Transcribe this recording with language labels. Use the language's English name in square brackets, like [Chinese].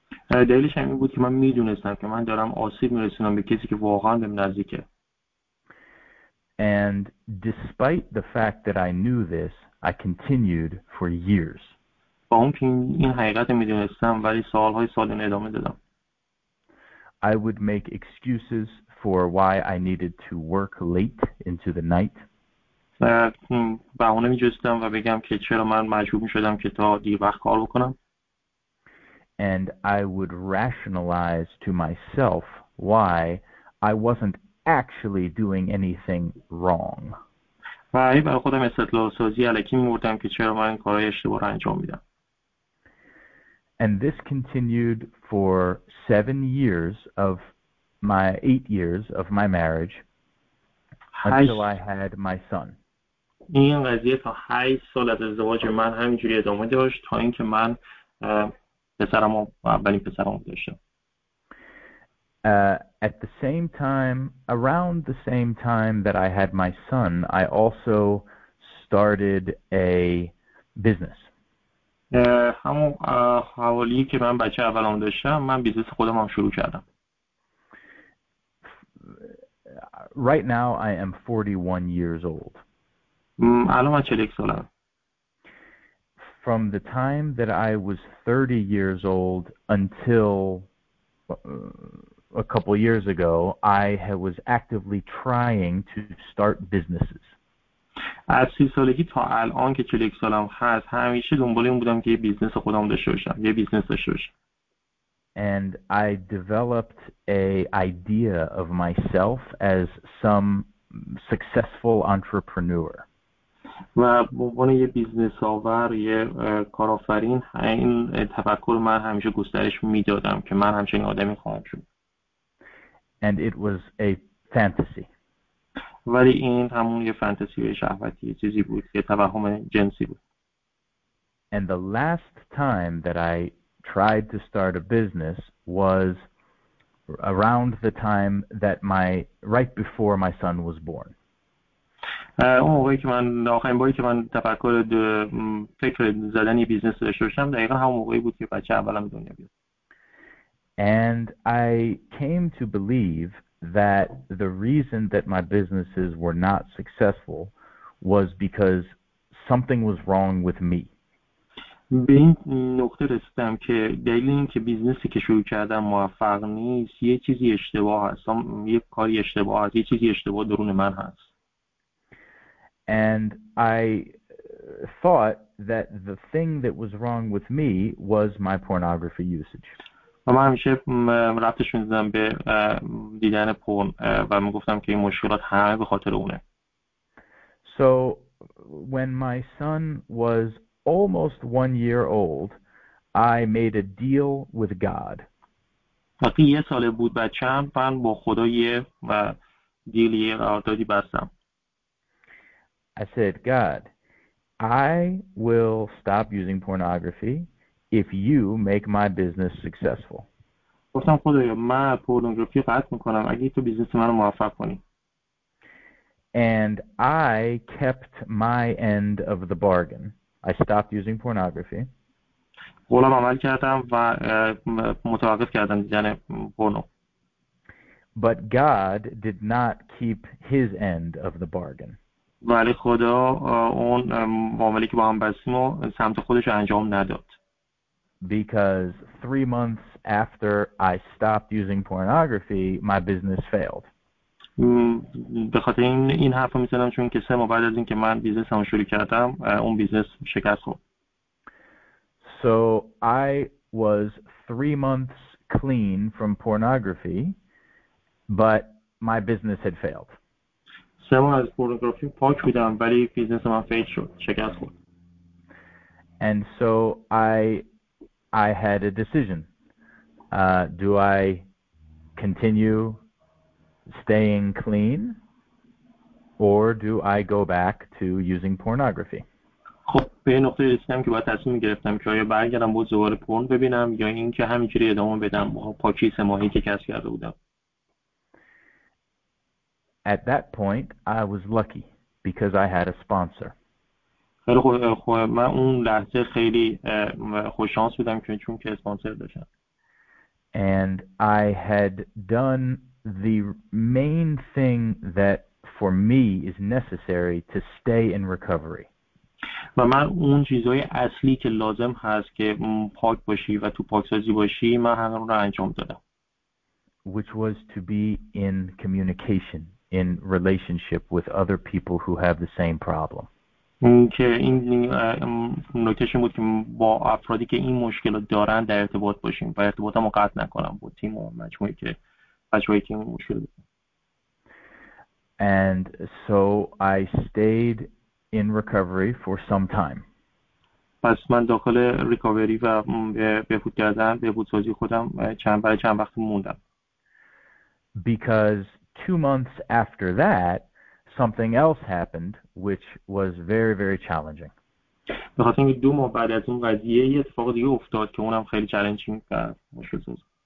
[Persian] دلیلش همین بود که من میدونستم که من دارم آسیب میرسونم به کسی که واقعا بهم نزدیکه. [English] And despite the fact that I knew this, I continued for years. [Persian] با اون که این حقیقت میدونستم ولی سالهای سال این ادامه دادم. [English] I would make excuses for why I needed to work late into the night. [Persian] و بهونه می جستم و بگم که چرا من مجبور می شدم که تا دیر وقت کار بکنم. [English] And I would rationalize to myself why I wasn't actually doing anything wrong. [Persian] و هی برای خودم استدلال سازی علکی می بردم که چرا من کارهای اشتباه رو انجام میدم. [English] And this continued for 7 years of my 8 years of my marriage until I had my son. [Persian] این قضیه تا 8 سال از ازدواج من همینجوری ادامه داشت تا اینکه من پسرمو اولین پسرمو داشتم. [English] At the same time, around the same time that I had my son, I also started a business. [Persian] همون حوالی که من بچه اولام داشتم من بیزنس خودم هم شروع کردم. [English] Right now I am 41 years old. [Persian] الان من 41 سالم. [English] From the time that I was 30 years old until a couple years ago, I was actively trying to start businesses. [Persian] از 30 سالگی تا الان که 41 سالم هست همیشه دنبال این بودم که یه بیزنس خودم داشته باشم، یه بیزنس داشته باشم. [English] And I developed a idea of myself as some successful entrepreneur. [Persian] و به عنوان یه بیزنس آور، یه کارآفرین، این تفکر من همیشه گسترش میدادم که من همچنین آدمی خواهم شد. [English] And it was a fantasy. [Persian] ولی این همون یه فانتزی شهوتی چیزی بود، یه توهم جنسی بود. [English] And the last time that I tried to start a business was around the time that right before my son was born. [Persian] اون موقعی که من آخرین باری که من تفکر فکر زدن یه بیزنس داشته باشم دقیقا همون موقعی بود که بچه اولم دنیا بیاد. [English] And I came to believe that the reason that my businesses were not successful was because something was wrong with me. [Persian] به این نقطه رسیدم که دلیل این که بیزنسی که شروع کردم موفق نیست یه چیزی اشتباه هست، یه کاری اشتباه هست، یه چیزی اشتباه درون من هست. [English] And I thought that the thing that was wrong with me was my pornography usage. [Persian] و من همیشه رفتش میدادم به دیدن پورن و میگفتم که این مشکلات همه به خاطر اونه. [English] So when my son was almost 1 year old, I made a deal with God. [Persian] وقتی یه ساله بود بچه‌ام من با خدا یه دیلی قراردادی بستم. [English] I said, God, I will stop using pornography if you make my business successful. [Persian] گفتم خدایا من پورنوگرافی قطع میکنم اگه تو بیزنس من رو موفق کنی. [English] And I kept my end of the bargain. I stopped using pornography. [Persian] قولم عمل کردم و متوقف کردم دیدن پورنو. [English] But God did not keep his end of the bargain. [Persian] ولی خدا اون معاملی که با هم بستیم رو سمت خودش انجام نداد. [English] Because 3 months after I stopped using pornography, my business failed. [Persian] به خاطر این حرف رو میزنم چون که 3 ماه بعد از اینکه من بیزنس هم شروع کردم اون بیزنس شکست خورد. [English] So I was 3 months clean from pornography, but my business had failed. [Persian] 3 ماه از پورنوگرافی پاک بودم ولی بیزنس من فیل شد، شکست خورد. [English] And so I had a decision. Do I continue staying clean or do I go back to using pornography? [Persian] خب به این نقطه رسیدم که باید تصمیم گرفتم که آیا برگردم باز دوباره پورن ببینم یا اینکه همینجوری ادامه بدم با پاکی 3 ماهی که کسب کرده بودم. [English] At that point, I was lucky because I had a sponsor. [Persian] خیلی خوب من اون لحظه خیلی خوش شانس بودم چون که اسپانسر داشتم. [English] And I had done the main thing that for me is necessary to stay in recovery. و من اون چیزهای اصلی که لازم هست که پاک باشی و تو پاکسازی باشی من همه رو انجام دادم. Which was to be in communication, in relationship with other people who have the same problem. [Persian] که این نکتهش بود که با افرادی که این مشکل رو دارن در ارتباط باشیم و ارتباط هم قطع نکنم با تیم و مجموعی که بچه که این مشکل دارن. [English] And so I stayed in recovery for some time. [Persian] پس من داخل ریکاوری و بهبود کردن بهبودسازی خودم چند وقت موندم. [English] Because 2 months after that, something else happened, which was very, very challenging. [Persian] بخاطر اینکه 2 ماه بعد از اون قضیه یه اتفاق دیگه افتاد که اونم خیلی چالنجینگ و مشکل ساز.